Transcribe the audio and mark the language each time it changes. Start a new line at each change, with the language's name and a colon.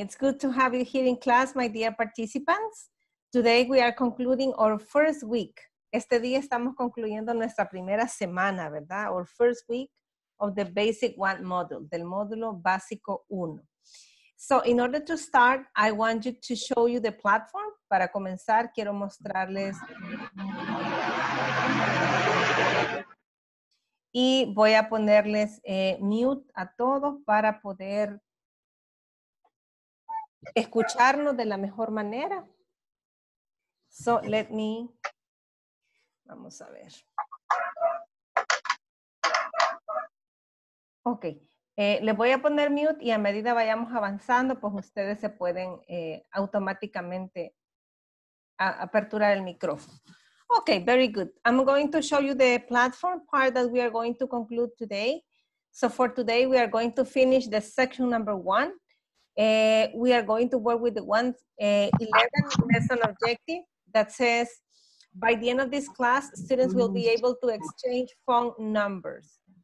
English: It's good to have you here in class, my dear participants. Today we are concluding our first week.
Spanish: Este día estamos concluyendo nuestra primera semana, ¿verdad?
English: Our first week of the Basic 1 module,
Spanish: del módulo básico 1.
English: So, in order to start, I want you to show you the platform.
Spanish: Para comenzar, quiero mostrarles. Y voy a ponerles mute a todos para poder escucharnos de la mejor manera.
English: So, let me.
Spanish: Vamos a ver. Ok. Les voy a poner mute y a medida vayamos avanzando, pues ustedes se pueden automáticamente aperturar el micrófono.
English: Okay, very good. I'm going to show you the platform part that we are going to conclude today. So for today, we are going to finish the section number one. We are going to work with the 11 lesson objective that says, by the end of this class, students will be able to exchange phone numbers.